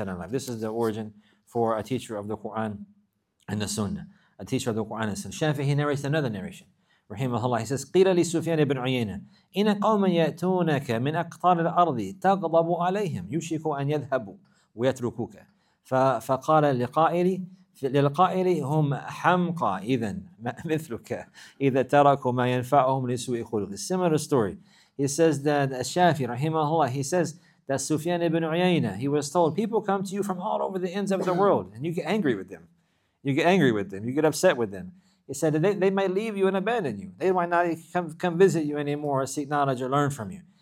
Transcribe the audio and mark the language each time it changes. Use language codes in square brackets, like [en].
[en] This is the origin for a teacher of the Quran and the Sunnah. A teacher of the Quran and Sunnah. Shafi'i narrates another narration. [ar] Rahimahullah, [en] he says, [ar] قِيلَ لِسُفْيَانِ بْنْ عُيَيْنَ إِنَ قَوْمًا يَأْتُونَكَ مِنْ أَقْطَارِ الْأَرْضِ تَغْضَبُ عَلَيْهِمْ يُشِكُ أَنْ يَذْهَبُوا وَيَتْرُكُوكَ فَقَالَ لِلْقَائِلِ هُمْ حَمْقَى إِذًا مِثْلُكَ إِذَا تَرَكُوا مَا يَنْفَعُهُمْ لِسُوءِ خُلُقِ. [en] Similar story. He says that Shafi, Rahimahullah, he says that Sufyan ibn Uyayna, he was told, people come to you from all over the ends of the world and you get angry with them. You get upset with them. He said that they might leave you and abandon you. They might not come visit you anymore or seek knowledge or learn from you.